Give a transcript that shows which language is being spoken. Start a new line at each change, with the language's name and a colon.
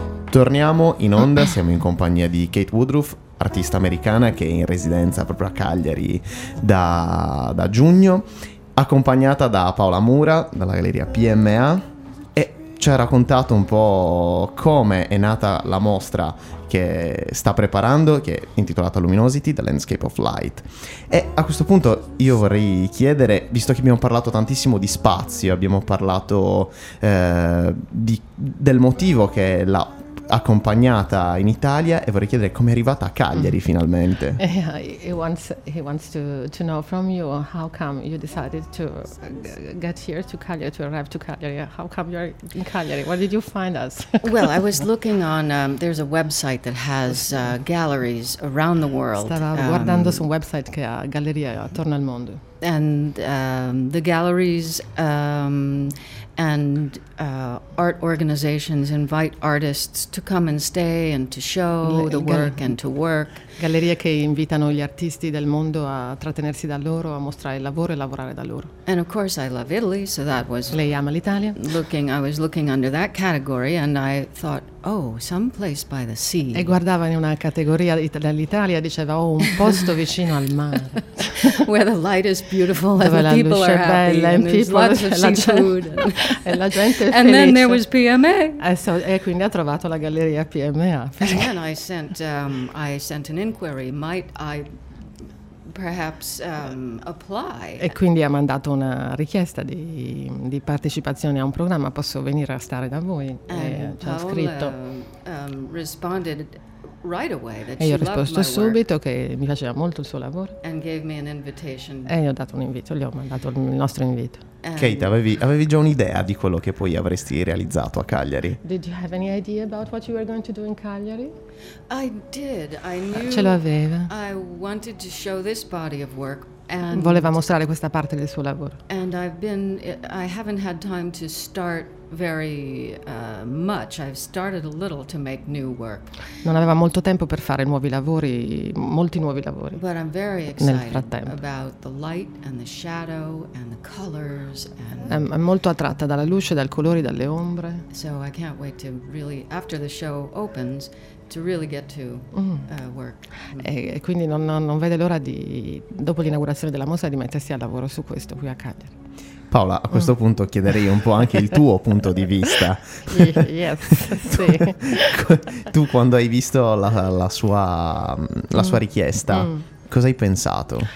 Italian: Torniamo in onda, siamo in compagnia di Kate Woodruff, artista americana che è in residenza proprio a Cagliari da giugno, accompagnata da Paola Mura, dalla galleria PMA, e ci ha raccontato un po' come è nata la mostra che sta preparando, che è intitolata Luminosity, The Landscape of Light. E a questo punto io vorrei chiedere, visto che abbiamo parlato tantissimo di spazio, abbiamo parlato del motivo che la accompagnata in Italia, e vorrei chiedere come è arrivata a Cagliari finalmente.
English: He wants to know from you how come you decided to get here to Cagliari, to arrive to Cagliari. How come you're in Cagliari? Where did you find us? Well, I was looking on, there's a website that has galleries around the world.
Italian: Stava guardando su un website che ha gallerie attorno al mondo.
English: And the galleries and art organizations invite artists to come and stay and to show the work and to work.
Italian: Gallerie che invitano gli artisti del mondo a trattenersi da loro, a mostrare il lavoro e lavorare da loro.
English: And of course I love Italy, so that was...
Italian: Lei ama l'Italia?
English: I was looking under that category and I thought, oh, some place by the sea.
Italian: E guardava in una categoria dell'Italia, diceva, oh, un posto vicino al mare.
English: Where the light is beautiful and the people are happy and there's lots of seafood.
Italian: E la gente è felice.
English: And then there was PMA.
Italian: E quindi ha trovato la galleria PMA.
English: And then I sent an inquiry, might I perhaps apply?
Italian: E quindi ha mandato una richiesta di partecipazione a un programma, posso venire a stare da voi?
English: And
Italian: e ha scritto.
English: Responded right away that
Italian: e
English: she
Italian: ho risposto
English: loved my
Italian: subito
English: work.
Italian: Che mi piaceva molto il suo lavoro.
English: And gave me an invitation.
Italian: E gli ho dato un invito, gli ho mandato il nostro invito. Kate, avevi già un'idea di quello che poi avresti realizzato a Cagliari?
English: Did you have any idea about what you were going to do in Cagliari? I did. I knew.
Italian: Ce l'aveva.
English: I wanted to show this body of work and
Italian: voleva mostrare questa parte del suo lavoro.
English: And I haven't had time to start very much. I've started a little to make new work.
Italian: Non aveva molto tempo per fare nuovi lavori, molti nuovi lavori.
English: But I'm very excited about the light and the shadow and the colors and
Italian: è molto attratta dalla luce, dal colore, dalle ombre.
English: So I can't wait to really after the show opens to really get to work.
Italian: E quindi non vede l'ora di dopo l'inaugurazione della mostra di mettersi al lavoro su questo qui a Cagliari. Paola, a questo punto chiederei un po' anche il tuo punto di vista.
English: Yes, sì.
Italian: Tu quando hai visto la sua richiesta, cosa hai pensato?